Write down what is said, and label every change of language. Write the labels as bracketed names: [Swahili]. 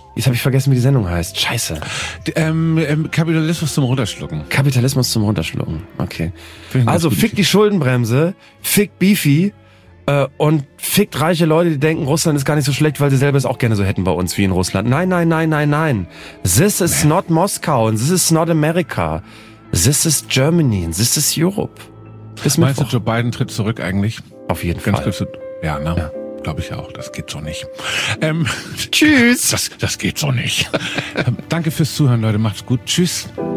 [German] Jetzt habe ich vergessen, wie die Sendung heißt. Scheiße. Kapitalismus zum Runterschlucken. Kapitalismus zum Runterschlucken. Okay. Also fick die Schuldenbremse, fick Beefy. Und fickt reiche Leute, die denken, Russland ist gar nicht so schlecht, weil sie selber es auch gerne so hätten bei uns wie in Russland. Nein, nein, nein, nein, nein. [English] This is not Moskau and this is not America. This is Germany and this is Europe. [German] Bis Meinst Mittwoch. Du, Joe Biden tritt zurück eigentlich? Auf jeden Ganz Fall. Kurz, ja, ne? Ja. Glaube ich auch. Das geht so nicht. Tschüss. Das geht so nicht. Danke fürs Zuhören, Leute. Macht's gut. Tschüss.